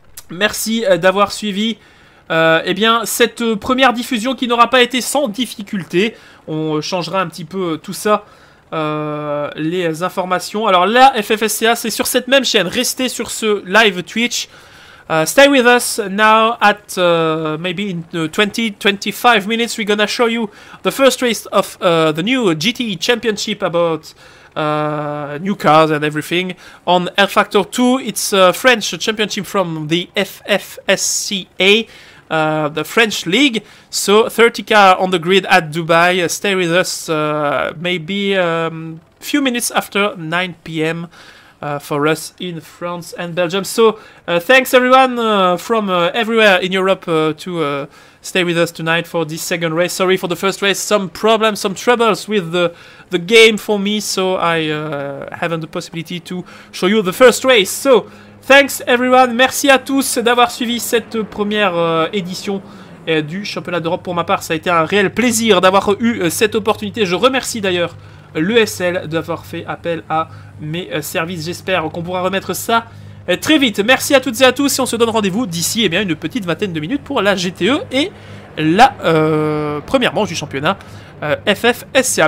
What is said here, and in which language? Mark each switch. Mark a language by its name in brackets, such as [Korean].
[French] Merci d'avoir suivi cette première diffusion qui n'aura pas été sans difficulté. On changera un petit peu tout ça, les informations. Alors la FFSCA, c'est sur cette même chaîne. Restez sur ce live Twitch. [English] Stay with us now at maybe in 20-25 minutes. We're gonna show you the first race of the new GT Championship about new cars and everything. On R Factor 2, it's a French championship from the FFSCA, the French league. So 30 cars on the grid at Dubai. Stay with us maybe a few minutes after 9 p.m. For us in France and Belgium. So thanks everyone from everywhere in Europe to stay with us tonight for this second race. Sorry for the first race, some problems, some troubles with the game for me, so I haven't the possibility to show you the first race. So thanks everyone, [French] merci à tous d'avoir suivi cette première édition du championnat d'Europe. Pour ma part, ça a été un réel plaisir d'avoir eu cette opportunité. Je remercie d'ailleurs l'ESL d'avoir fait appel à mes services. J'espère qu'on pourra remettre ça très vite. Merci à toutes et à tous et on se donne rendez-vous d'ici eh bien, une petite vingtaine de minutes pour la GTE et la première manche du championnat FFSCA.